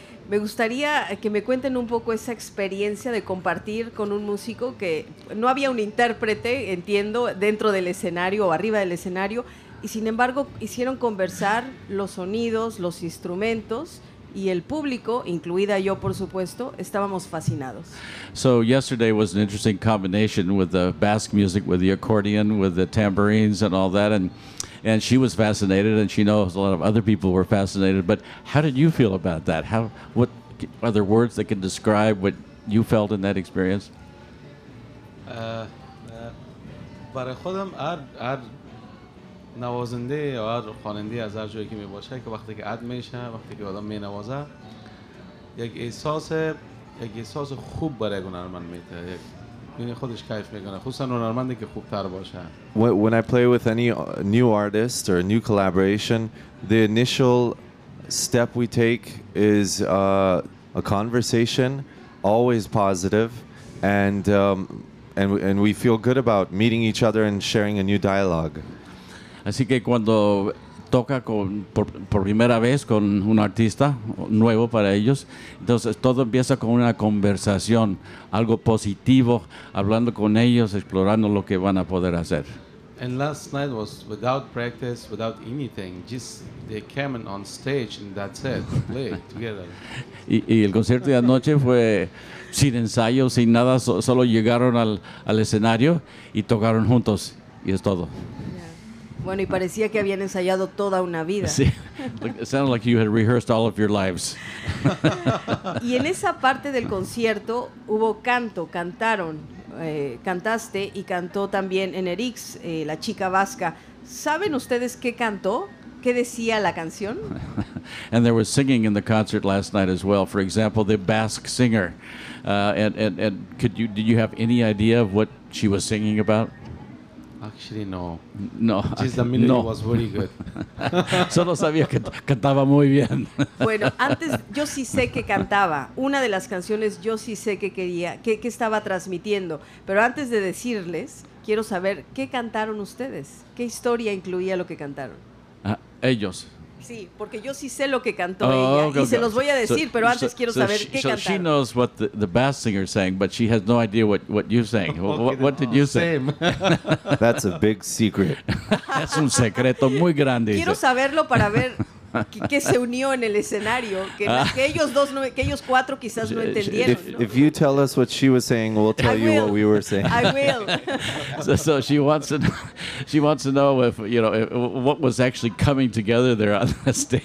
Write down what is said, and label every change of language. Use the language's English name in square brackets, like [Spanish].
[Spanish] Me gustaría que me cuenten un poco esa experiencia de compartir con un músico que no había un intérprete, entiendo, dentro del escenario o arriba del escenario, y sin embargo hicieron conversar los sonidos, los instrumentos, y el público, incluida yo, por supuesto, estábamos fascinados. [English] So yesterday was an interesting combination with the Basque music, with the accordion, with the tambourines and all that, and she was fascinated, and she knows a lot of other people were fascinated, but how did you feel about that? What are there words that can describe what you felt in that experience? [Persian] برای خودم هر نوازنده یا هر خواننده از هر جایی که میباشه که وقتی که عد میشه وقتی که آدم مینوازه یک احساس خوب برای هنرمند میده یعنی خودش کیف میکنه خصوصا هنرمندی که خوب تر باشه. [English] When I play with any new artist or a new collaboration, the initial step we take is a conversation, always positive, and we feel good about meeting each other and sharing a new dialogue. [Spanish] Así que cuando toca por primera vez con un artista nuevo para ellos, entonces todo empieza con una conversación, algo positivo, hablando con ellos, explorando lo que van a poder hacer. [English] And last night was without practice, without anything, just they came on stage and that's it, play together. [Spanish] Y el concierto de anoche fue sin ensayo, sin nada, solo llegaron al escenario y tocaron juntos y es todo. Bueno, y parecía que habían ensayado toda una vida. [English] Sí, it sounded like you had rehearsed all of your lives. [Spanish] Y en esa parte del concierto hubo canto, cantaron, cantaste y cantó también Enerix, la chica vasca. ¿Saben ustedes qué cantó? ¿Qué decía la canción? [English] And there was singing in the concert last night as well. For example, the Basque singer. And did you have any idea of what she was singing about? Actually, no. No. Just the melody was very good. [Spanish] Solo sabía que cantaba muy bien. Bueno, antes yo sí sé que cantaba. Una de las canciones yo sí sé que quería, que estaba transmitiendo. Pero antes de decirles, quiero saber qué cantaron ustedes. ¿Qué historia incluía lo que cantaron? Ellos. Sí, porque yo sí sé lo que cantó ella. Se los voy a decir, pero antes quiero saber qué cantaron. [English] So she knows what the bass singer sang, but she has no idea what you sang. What did you say? That's a big secret. [Spanish] Es un secreto muy grande. Quiero saberlo para ver qué se unió en el escenario, que ellos cuatro quizás no entendieron. [English] If you tell us what she was saying, we'll tell you what we were saying. I will. So she wants to know if, you know, if, what was actually coming together there on the stage.